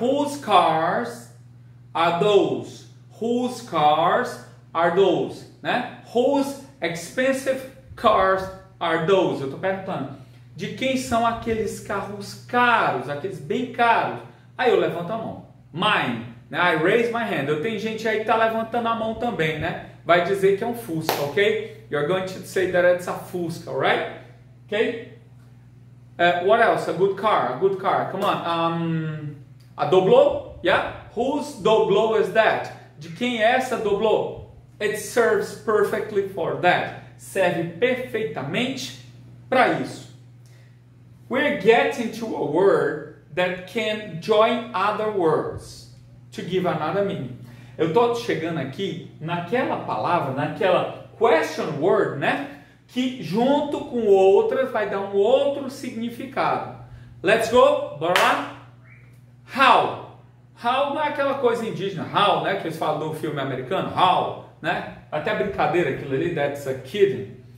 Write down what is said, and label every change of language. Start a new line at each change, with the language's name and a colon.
English: Whose cars are those? Whose cars are those? Né? Whose expensive cars are those?
Portuguese: Eu estou perguntando, de quem são aqueles carros caros, aqueles bem caros? Aí eu levanto a mão. Mine. Né?
English: I raise my hand.
Portuguese: Eu tenho gente aí que está levantando a mão também, né? Vai dizer que é um Fusca, ok?
English: You're going to say that it's a Fusca, alright? Ok? What else? A good car. Come on. A Doblo? Yeah? Whose Doblo is that?
Portuguese: De quem é essa Doblo?
English: It serves perfectly for that.
Portuguese: Serve perfeitamente para isso.
English: We're getting to a word that can join other words to give another meaning.
Portuguese: Eu tô chegando aqui naquela palavra, naquela question word, né? Que junto com outra vai dar um outro significado.
English: Let's go,
Portuguese: bora lá. How? How não é aquela coisa indígena, how, né? Que eles falam do filme americano, how, né? Até brincadeira aquilo ali,
English: that's a kidding.